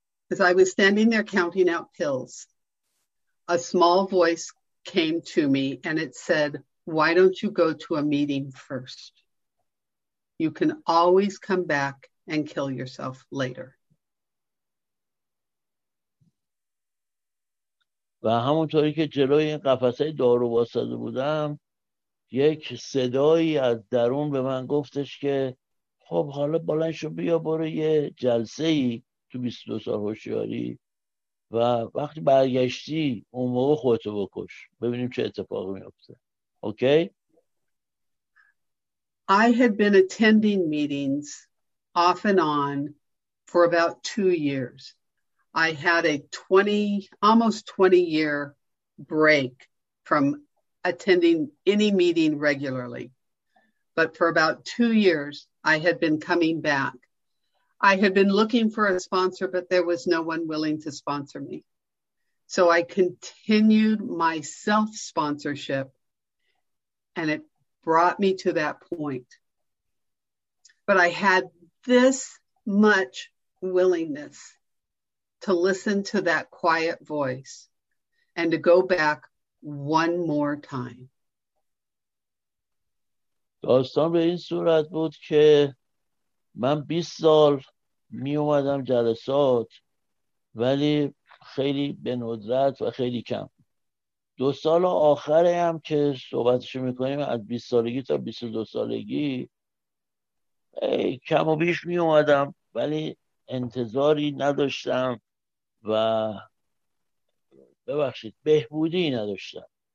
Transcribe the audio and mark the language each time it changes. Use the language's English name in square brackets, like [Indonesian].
[English] As I was standing there counting out pills, a small voice came to me and it said, why don't you go to a meeting first? You can always come back and kill yourself later. [Persian] و همونطوری که جلوی این قفسه دارو واسده بودم، یک صدایی از درون به من گفتش که خب حالا بلنشو بیا برو یه جلسه ای تو 22 سال هوشیاری و وقتی برگشتی اون موقع خودتو بکش، ببینیم چه اتفاقی میفته. [English] Okay? I had been attending meetings off and on for about 2 years. I had almost 20 year break from attending any meeting regularly. But for about 2 years I had been coming back. I had been looking for a sponsor, but there was no one willing to sponsor me. So I continued my self-sponsorship, and it brought me to that point. But I had this much willingness to listen to that quiet voice and to go back one more time. [Persian] داستان به این صورت بود که من 20 سال می اومدم جلسات ولی خیلی به ندرت و خیلی کم. دو سال آخره هم که صحبتشو میکنیم از 20 سالگی تا 22 سالگی کم و بیش می اومدم ولی انتظاری نداشتم و ببخشید بهبودی نداشتم.